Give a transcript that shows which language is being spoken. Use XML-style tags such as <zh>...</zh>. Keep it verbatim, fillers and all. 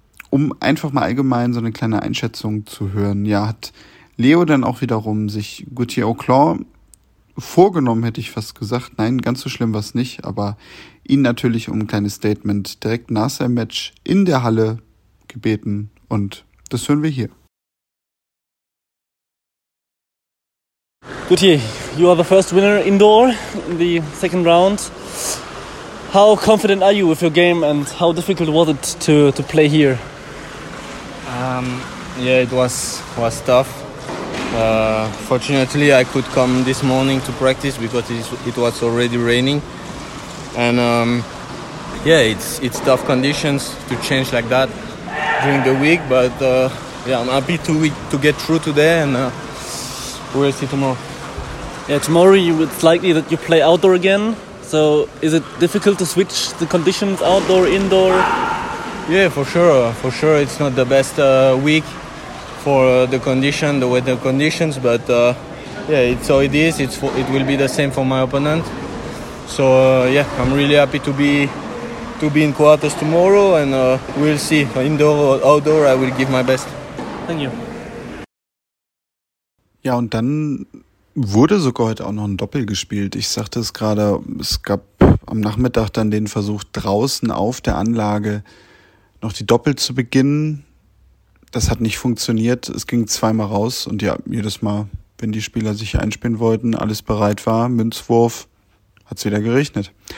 <de>Um einfach mal allgemein so eine kleine Einschätzung zu hören. Ja, hat Leo dann auch wiederum sich Gauthier Auclor vorgenommen, hätte ich fast gesagt. Nein, ganz so schlimm war es nicht, aber ihn natürlich um ein kleines Statement direkt nach seinem Match in der Halle gebeten und das hören wir hier.</de> <en>Gauthier, you are the first winner indoor in the second round. How confident are you with your game and how difficult was it to, to play here? Um, yeah, it was was tough. Uh, fortunately, I could come this morning to practice because it was already raining. And um, yeah, it's it's tough conditions to change like that during the week. But uh, yeah, I'm happy to to get through today and uh, we'll see tomorrow. Yeah, tomorrow you, it's likely that you play outdoor again. So is it difficult to switch the conditions outdoor, indoor? Yeah, for sure. For sure, it's not the best uh, week for uh, the condition, the weather conditions. But uh, yeah, it's how it is. It's for, it will be the same for my opponent. So uh, yeah, I'm really happy to be to be in quarters tomorrow, and uh, we'll see. Indoor or outdoor, I will give my best. Thank you.</en> <de>Ja, und dann wurde sogar heute auch noch ein Doppel gespielt. Ich sagte es gerade, es gab am Nachmittag dann den Versuch, draußen auf der Anlage noch die Doppel zu beginnen. Das hat nicht funktioniert. Es ging zweimal raus und ja, jedes Mal, wenn die Spieler sich einspielen wollten, alles bereit war, Münzwurf, hat es wieder geregnet.</de>